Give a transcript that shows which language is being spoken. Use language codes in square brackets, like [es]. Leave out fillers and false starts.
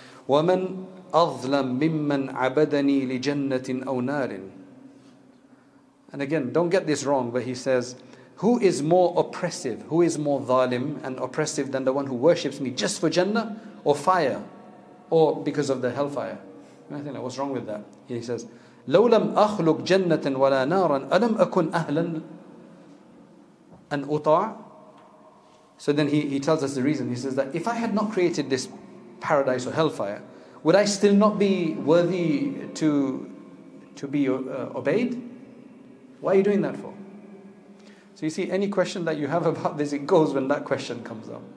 [ar] وَمَنْ أَظْلَمْ مِمَّنْ عَبَدَنِي لِجَنَّةٍ أَوْ نَارٍ. [en] And again, don't get this wrong, but he says, who is more oppressive, who is more zalim and oppressive than the one who worships me just for Jannah or fire or because of the hellfire? And I think, like, what's wrong with that? [ar] He says, لَوْ لَمْ أَخْلُقْ جَنَّةً وَلَا نَارًا أَلَمْ أَكُنْ أَهْلًا أَنْ أُطَاعًا. [en] So then he tells us the reason. He says that if I had not created this paradise or hellfire, would I still not be worthy to be obeyed? Why are you doing that for? So you see, any question that you have about this, it goes when that question comes up.